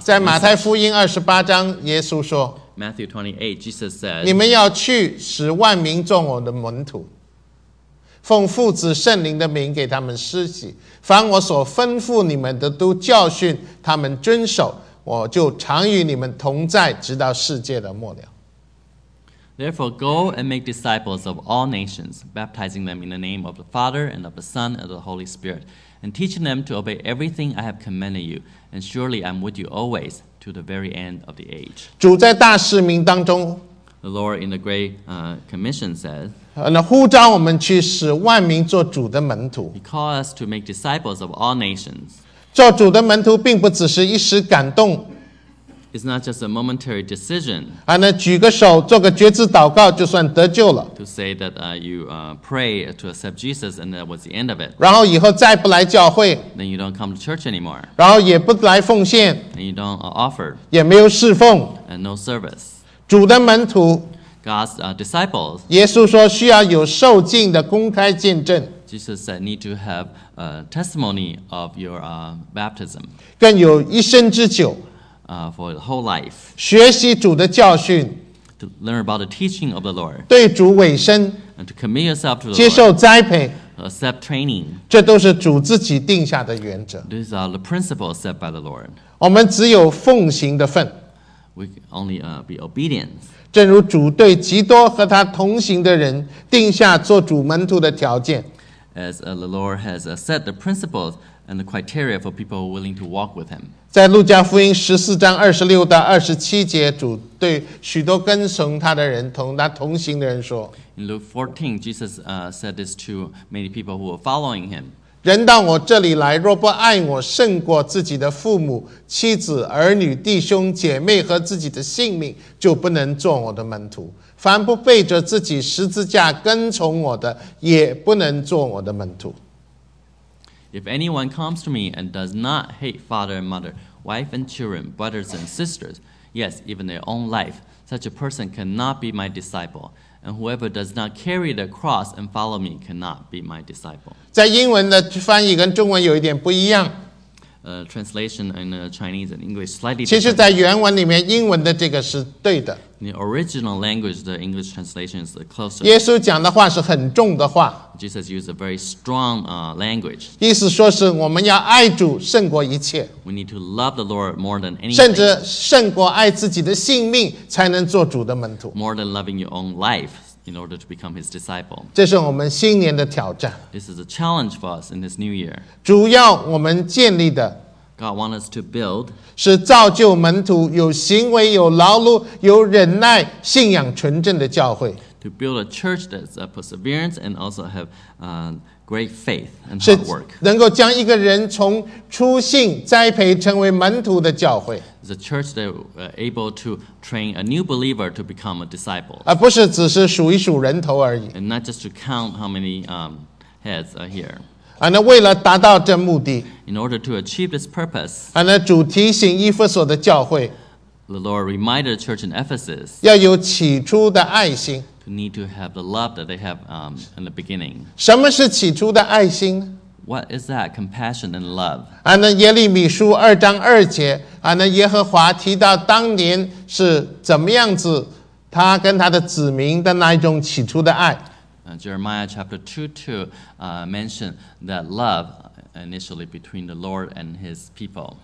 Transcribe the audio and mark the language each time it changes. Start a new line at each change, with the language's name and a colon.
Chinese: 在马太福音二十八章，耶稣说。
English: Matthew 28, Jesus said.
Chinese: 你们要去，使万民做我的门徒。奉父子圣灵的名给他们施洗凡我所吩咐你们的都教训他们遵守我就常与你们同在，直到世界的末了。
English: Therefore, go and make disciples of all nations, baptizing them in the name of the Father and of the Son and of the Holy Spirit, and teaching them to obey everything I have commanded you. And surely I'm with you always, to the very end of the age.
Chinese: 主在大使命当中
English: The Lord in the Great Commission says,
Chinese: 呼召我们去使万民做主的门徒
English: He called us to make disciples of all nations.
Chinese: 做主的门徒并不只是一时感动
English: It's not just a momentary decision.
Chinese: 举个手做个决志祷告就算得救了。
English: To say that you pray to accept Jesus and that was the end of it.
Chinese: 然后以后再不来教会。
English: Then you don't come to church anymore.
Chinese: 然后也不来奉献。
English: And you don't offer.
Chinese: 也没有侍奉。
English: And no service.
Chinese: 主的门徒。
English: God's disciples.
Chinese: 耶稣说需要有受浸的公开见证。
English: Jesus said need to have a testimony of your baptism.
Chinese: 更有一生之久。
English: For the whole life,
Chinese: 学习主的教训
English: to learn about the teaching of the Lord,
Chinese: 对主委身
English: and to commit yourself to the Lord,
Chinese: 接受栽培
English: accept training,
Chinese: 这都是主自己定下的原则
English: These are the principles set by the Lord.
Chinese: 我们只有奉行的份
English: We can only be obedient.
Chinese: 正如主对基多和他同行的人定下做主门徒的条件
English: As the Lord has set the principles. And the criteria for people who are willing to walk with him.
Chinese: 在路加福音十四章二十六到二十七节，主对许多跟从他的人、同他同行的人说
English: ，In Luke 14, Jesus said this to many people who were following him.
Chinese: 人到我这里来，若不爱我胜过自己的父母、妻子、儿女、弟兄、姐妹和自己的性命，就不能做我的门徒。凡不背着自己十字架跟从我的，也不能做我的门徒。
English: If anyone comes to me and does not hate father and mother, wife and children, brothers and sisters, yes, even their own life, such a person cannot be my disciple. And whoever does not carry the cross and follow me cannot be my disciple.
Chinese: 在英文的翻译跟中文有一点不一样。
English: Translation in Chinese and English slightly different.
Chinese: 其实在原文里面英文的这个是对的。
English: In the original language, the English translation is the closest.
Chinese: 耶稣讲的话是很重的话。
English: Jesus used a very strong language.
Chinese: 意思说是我们要爱主胜过一切。
English: We need to love the Lord more than anything.
Chinese: 甚至胜过爱自己的性命才能做主的门徒。
English: More than loving your own life in order to become his disciple.
Chinese: 这是我们新年的挑战。
English: This is a challenge for us in this new year.
Chinese: 主要我们建立的
English: God wants us to build
Chinese: 是造就门徒有行为有劳碌有忍耐信仰纯正的教会
English: To build a church that's a perseverance and also have great faith and hard work
Chinese: 是能够将一个人从初信栽培成为门徒的教会
English: It's a church that able to train a new believer to become a disciple
Chinese: 而不是只是数一数人头而已
English: And not just to count how many heads are here
Chinese: 那为了达到这目的
English: ，In order to achieve this purpose，
Chinese: 那主提醒以弗所的教会
English: ，The Lord reminded the church in Ephesus，
Chinese: 要有起初的爱心
English: ，To need to have the love that they have in the beginning。
Chinese: 什么是起初的爱心
English: ？What is that compassion and love？
Chinese: 那耶利米书二章二节，那耶和华提到当年是怎么样子，他跟他的子民的那一种起初的爱。
English: Jeremiah chapter 2:2 mentioned that love initially between the Lord and His people.